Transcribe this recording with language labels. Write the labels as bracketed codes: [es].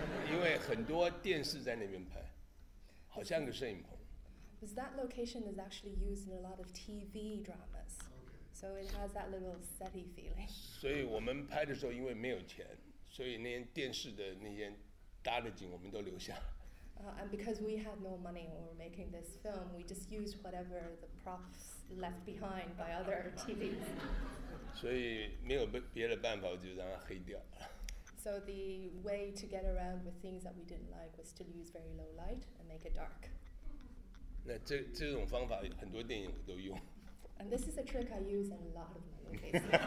[zh] 因为很多电视在那边拍，好像个摄影棚。 [en] Because that location is actually used in a lot of TV dramas, so it has that little setty feeling. [zh] 所以我们拍的时候，因为没有钱，所以那些电视的那些搭的景，我们都留下。 [en] And because we had no money when we were making this film, we just used whatever the props left behind by other TVs. [zh] 所以没有别的办法，我就让它黑掉。 [en] So the way to get around with things that we didn't like was to use very low light and make it dark. [zh] 那这种方法很多电影我都用。 [en] And this is a trick I use in a lot of my movies.